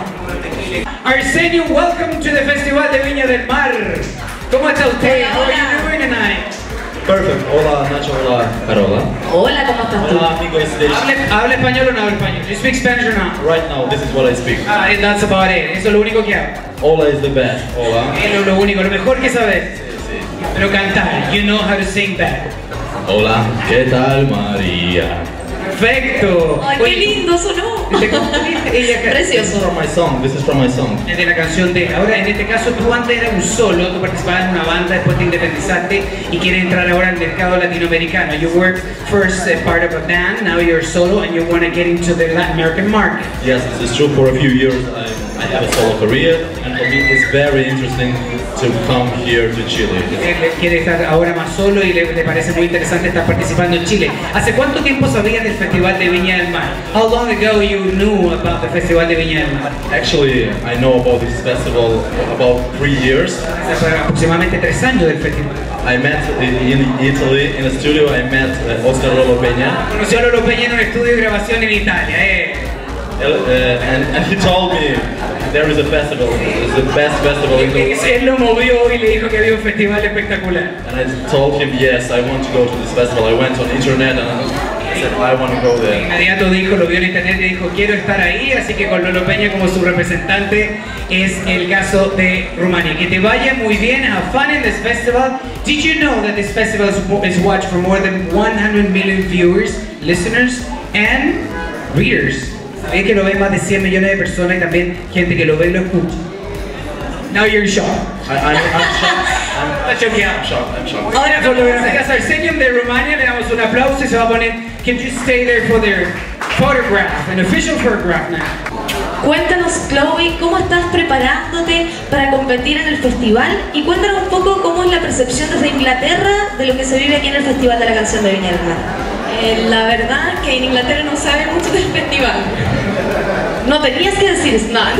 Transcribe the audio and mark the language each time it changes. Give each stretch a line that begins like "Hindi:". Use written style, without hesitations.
English: Arsenio, welcome to the Festival de Viña del Mar.
Spanish: ¿Cómo está usted? Hola, hola.
English: How are you doing tonight? Perfect.
Spanish: Hola, Nacho, hola. Pero hola. Hola, ¿cómo estás tú? Hola, amigos. ¿Habla español o no habla español?
English: You speak Spanish or not? Right now, this is what I speak. Ah, and that's about it.
Spanish: Eso es lo único que hablo.
English: Hola is the best. Hola.
Spanish: Eso es lo único, lo mejor que sabes. Pero cantar,
English: you know how to sing that.
Spanish: Hola, ¿qué tal, María? Perfecto. Ay, qué lindo sonó. Precioso.
English: This is from my song.
Spanish: Es de la canción de... Ahora, en este caso, tú antes eras un solo, tú participabas en una banda, después te independizaste y quieres entrar ahora al mercado latinoamericano.
English: You worked first part of a band, now you're solo and you want to get into the Latin American market. Yes, this is true. For a few years, I have a solo career and for me it's very interesting to come here to Chile.
Spanish: Quiere estar ahora más solo y le parece muy interesante estar participando en Chile. ¿Hace cuánto tiempo sabías del Festival de Viña del Mar?
English: How long ago you knew about the Festival de Viña del Mar? Actually, I know about this festival about 3 years.
Spanish: Aproximadamente 3 años del festival.
English: I met in Italy, in a studio, I met Oscar Lolo Peña.
Spanish: Conocí a Lolo Peña en un estudio de grabación en Italia,
English: And he told me there is a festival, it's the best festival in the world.
Spanish: Él lo movió y le dijo que había un festival espectacular.
English: And I told him, yes, I want to go to this festival. I went on internet and I said, I want to go there.
Spanish: Inmediato dijo, lo vio en internet y dijo, quiero estar ahí. Así que con Lolo Peña como su representante es el caso de Rumania. Que te vaya muy bien,
English: have fun in this festival. Did you know that this festival is watched for more than 100 million viewers, listeners and readers?
Spanish: Es que lo ven más de 100 millones de personas y también gente que lo ve y lo escucha.
English: Now you're shocked. I'm shocked.
Spanish: Ahora cuando vengas a Arsenio de Rumania, le damos un aplauso y se va a poner.
English: Can you stay there for their photograph, an official photograph now?
Spanish: Cuéntanos, Chloe, ¿cómo estás preparándote para competir en el festival? Y cuéntanos un poco cómo es la percepción desde Inglaterra de lo que se vive aquí en el Festival de la Canción de Viña del Mar. La verdad que en Inglaterra no sabe mucho del festival. No tenías que decir snack.